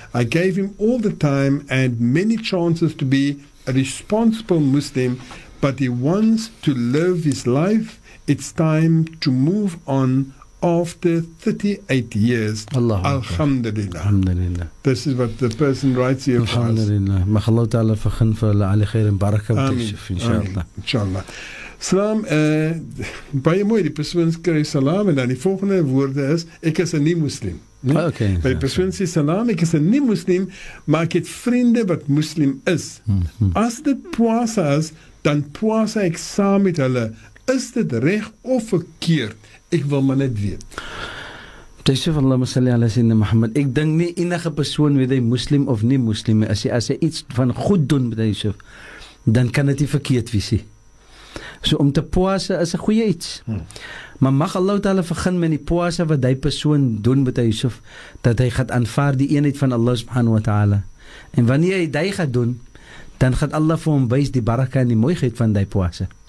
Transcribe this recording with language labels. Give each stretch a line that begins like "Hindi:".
English: I gave him all the time and many chances to be a responsible Muslim, but he wants to live his life. It's time to move on after 38 years.
Arabic: Allahumma alhamdulillah. Alhamdulillah.
English: This is what the person writes here for us.
Arabic: Alhamdulillah.
English: May Allah Ta'ala forgive for Ali Khair and Barakah.
Arabic: Inshallah.
Afrikaans: Salam, baie mooi, die persoon skryf salam, en dan die volgende woorde is, ek is 'n nie-moslim. Nie? Ah, okay, by die persoon sê salam, ek is 'n nie-moslim, maar ek het vriende wat moslim is. As dit puasa is, dan puasa ek saam met hulle. Is dit reg of verkeerd? Ek wil maar net weet.
Arabic: Tussuf Allahumma salli ala sayyidina Muhammad.
Afrikaans: Ek denk nie enige persoon, weet hy moslim of nie-moslim, as hy iets van goed doen, met hy, dan kan het nie verkeerd wees. So om te poase is 'n goeie iets. Maar mag Allah Ta'ala begin met die poase wat die persoon doen met Yusuf, dat hy gaat aanvaar die eenheid van Allah subhanahu wa ta'ala. En wanneer hy die gaat doen, dan gaat Allah vir hom wys die baraka en die mooiheid van die poase.